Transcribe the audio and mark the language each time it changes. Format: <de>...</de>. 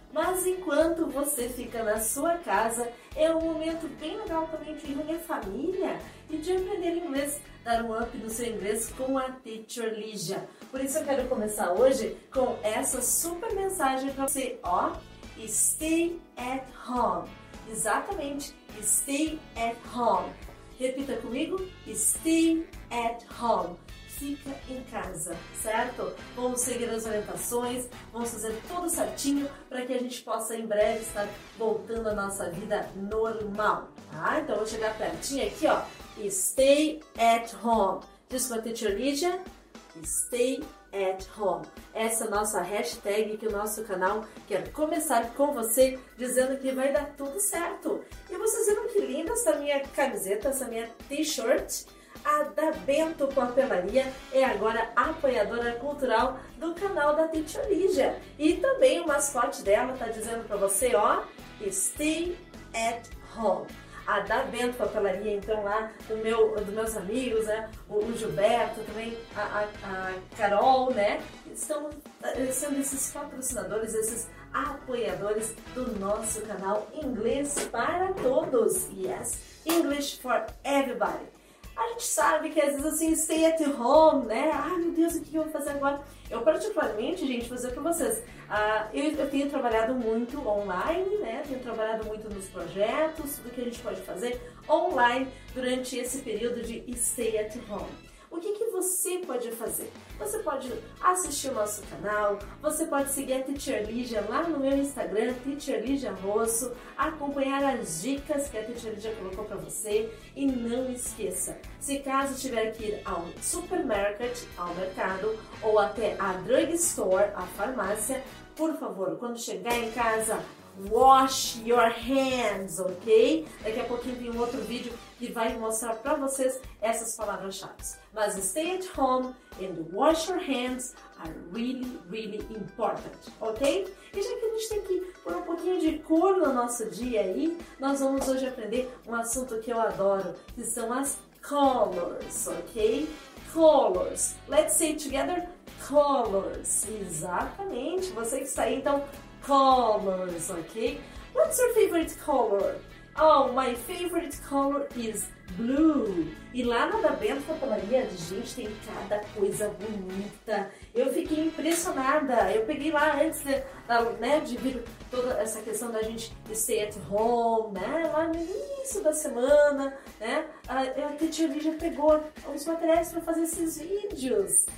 <pt>Mas enquanto você fica na sua casa, é um momento bem legal também de reunir a família e de aprender inglês, dar um up no seu inglês com a Teacher Ligia. Por isso eu quero começar hoje com essa super mensagem para você, ó.</pt> <en>Stay at home. Exatamente, stay at home. Repita comigo, stay at home.</en> <pt>Fica em casa, certo? Vamos seguir as orientações, vamos fazer tudo certinho para que a gente possa em breve estar voltando à nossa vida normal. Tá? Então vou chegar pertinho aqui, ó.</pt> <en>Stay at home.</en> <pt>Diz com a Teacher Ligia,</pt> <en>stay at home.</en> <pt>Essa é a nossa hashtag que o nosso canal quer começar com você, dizendo que vai dar tudo certo. E vocês viram que linda essa minha camiseta, essa minha t-shirt? A da Bento Papelaria é agora apoiadora cultural do canal da Teacher Ligia. E também o mascote dela está dizendo para você, ó,</pt> <en>stay at home.</en> <pt>A da Bento Papelaria, então, lá dos meus amigos, né? O Gilberto, também a Carol, né? Estão sendo esses patrocinadores, esses apoiadores do nosso canal Inglês para Todos.</pt> <en>Yes, English for Everybody.</en> <pt>A gente sabe que às vezes assim,</pt> <en>stay at home,</en> <pt>né? Ai meu Deus, o que eu vou fazer agora? Eu particularmente, gente, vou dizer pra vocês, eu tenho trabalhado muito online, né? Tenho trabalhado muito nos projetos, tudo que a gente pode fazer online durante esse período de</pt> <en>stay at home.</en> <pt>O que você pode fazer? Você pode assistir o nosso canal, você pode seguir a Teacher Ligia lá no meu Instagram, Teacher Ligia Rosso, acompanhar as dicas que a Teacher Ligia colocou para você. E não esqueça, se caso tiver que ir ao supermercado, ao mercado, ou até a drugstore, a farmácia, por favor, quando chegar em casa,</pt> <en>wash your hands,</en> <pt>ok? Daqui a pouquinho tem um outro vídeo que vai mostrar para vocês essas palavras-chave. Mas</pt> <en>stay at home and wash your hands are really, really important, ok?</en> <pt>E já que a gente tem que pôr um pouquinho de cor no nosso dia aí, nós vamos hoje aprender um assunto que eu adoro, que são as colors, ok?</pt> <en>Colors. Let's say together, colors.</en> <pt>Exatamente. Você que está aí, então, colors, ok?</pt> <en>What's your favorite color? Oh, my favorite color is blue.</en> <pt>E lá na da Bento Papelaria, gente, tem cada coisa bonita. Eu fiquei impressionada. Eu peguei lá antes de vir toda essa questão da gente</pt> <en>stay at home,</en> <pt>né? Lá no início da semana, né? A Teacher Ligia pegou os materiais para fazer esses vídeos.</pt>